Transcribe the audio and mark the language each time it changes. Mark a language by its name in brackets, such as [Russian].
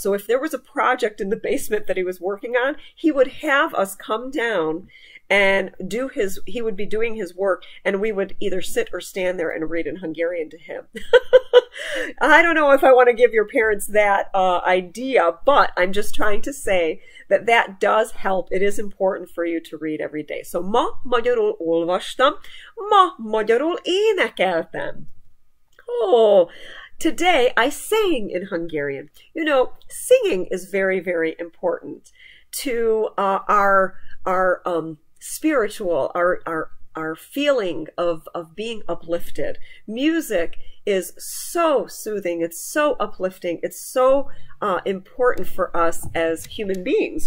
[English] So if there was a project in the basement that he was working on, he would have us come down and do his he would be doing his work, and we would either sit or stand there and read in Hungarian to him. I don't know if I want to give your parents that idea, but I'm just trying to say that that does help. It is important for you to read every day. [Hungarian] So ma magyarul olvastam, ma magyarul énekeltem. [English] Oh, today I sang in Hungarian. You know, singing is very, very important to our spiritual, our feeling of being uplifted. Music is so soothing, it's so uplifting, it's so important for us as human beings.